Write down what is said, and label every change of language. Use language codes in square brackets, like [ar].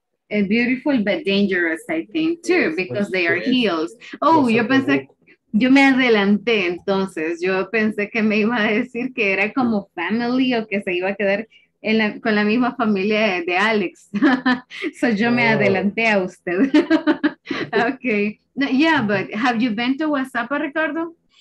[en] Beautiful, but dangerous, I think, too, because they are hills. [es] Oh, yo pensé, yo me adelanté entonces. Yo pensé que me iba a decir que era como family o que se iba a quedar con la misma familia de Alex. So yo me adelanté a usted. Okay. [en] No, yeah, but have you been to Guasapa, Ricardo?